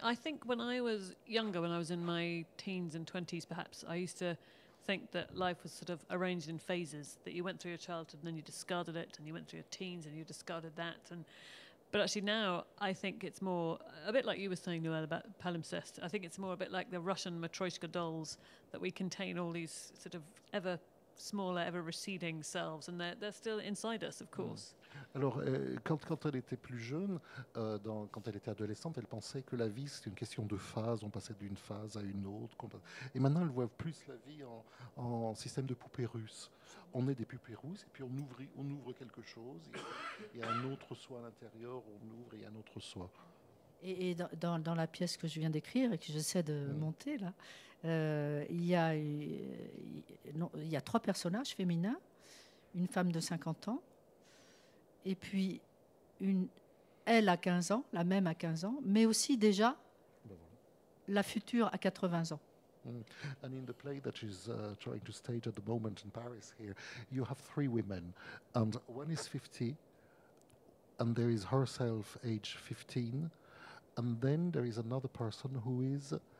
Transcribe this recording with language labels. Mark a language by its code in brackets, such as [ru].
[en] I think when I was younger, when I was in my teens and 20s, perhaps, I used to think that life was sort of arranged in phases, that you went through your childhood and then you discarded it, and you went through your teens and you discarded that. But actually now, I think it's more, a bit like you were saying, Noelle, about palimpsest, I think it's more a bit like the Russian Matryoshka dolls, that we contain all these sort of ever smaller, ever receding selves, and they're still inside us, of course. [fr] Alors, quand elle était plus jeune, quand elle était adolescente, elle pensait que la vie, c'était une question de phase, on passait d'une phase à une autre. Et maintenant, elle voit plus la vie en système de poupées russes. On est des poupées russes, et puis on ouvre quelque chose, il y a un autre soi à l'intérieur, on ouvre, et il y a un autre soi. Et dans la pièce que je viens d'écrire, et que j'essaie de monter, là, il y a trois personnages féminins, une femme de 50 ans, et puis, elle à 15 ans, la même à 15 ans, mais aussi déjà la future à 80 ans. [en] And in the play that she's trying to stage at the moment in Paris here, you have three women, and one is 50, and there is herself age 15, and then there is another person who is